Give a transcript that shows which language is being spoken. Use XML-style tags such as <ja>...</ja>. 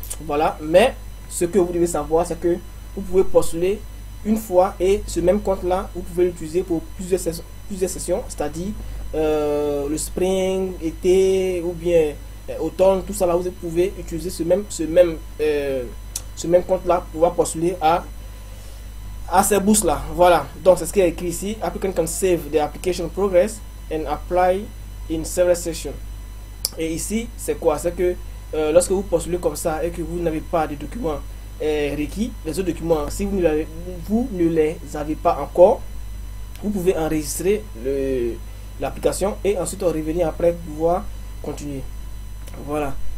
<fr>Voilà, mais ce que vous devez savoir, c'est que vous pouvez postuler une fois et ce même compte-là, vous pouvez l'utiliser pour plusieurs sessions, c'est-à-dire le spring, été ou bien automne, tout ça là, vous pouvez utiliser ce même compte-là pour pouvoir postuler à ces bourses-là. Voilà, donc c'est ce qui est écrit ici.</fr> <en>Applicant can save the application progress and apply in several sessions.</en> <fr>Et ici, c'est quoi? C'est que lorsque vous postulez comme ça et que vous n'avez pas de documents requis, les autres documents, si vous ne les avez pas encore, vous pouvez enregistrer l'application et ensuite revenir après pour pouvoir continuer. Voilà.</fr>